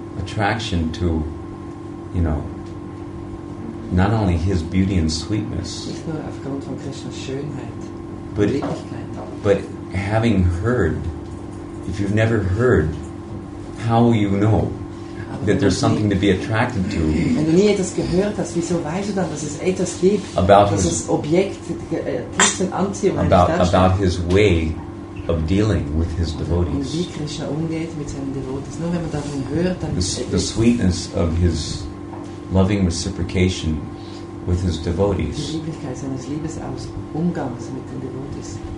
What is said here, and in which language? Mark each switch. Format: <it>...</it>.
<en>Attraction to, you know, not only his beauty and sweetness,</en> <de>nicht nur aufgrund von Krishnas Schönheit,</de> <en>but having heard, if you've never heard, how will you know that there's something to be attracted to?</en> <de>Wenn du nie etwas gehört hast, wieso weißt du dann, dass es etwas gibt,</de> <en>about</en> <de>dass</de> <en>his,</en> <de>das Objekt tief in Anziehung</de> <en>about his way of dealing with his devotees.</en> <de>Und wie Krishna umgeht mit seinen Devotees. Nur wenn man davon hört, dann</de> <en>the sweetness of his loving reciprocation with his devotees.</en> <de>Die Lieblichkeit seines Liebesumgangs mit den Devotees.</de>